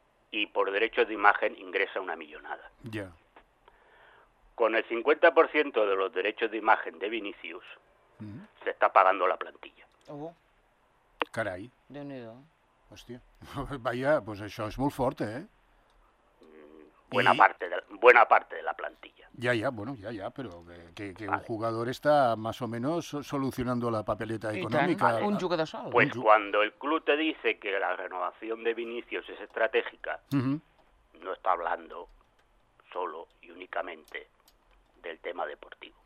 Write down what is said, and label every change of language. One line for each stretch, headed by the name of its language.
Spanish: Y por derechos de imagen ingresa una millonada. Ya. Yeah. Con el 50% de los derechos de imagen de Vinicius, se está pagando la plantilla. Oh. Caray. De unido. Hostia.
Catalan: Vaya, pues això és molt fort, eh?
Spanish: Buena, buena parte de la plantilla. Ya, ya, bueno, ya, ya, pero que vale. Un jugador está más o menos solucionando la papeleta económica. Vale. Un jugador solo. Pues cuando el club te dice que la renovación de Vinicius es estratégica, no está hablando solo y únicamente del tema deportivo.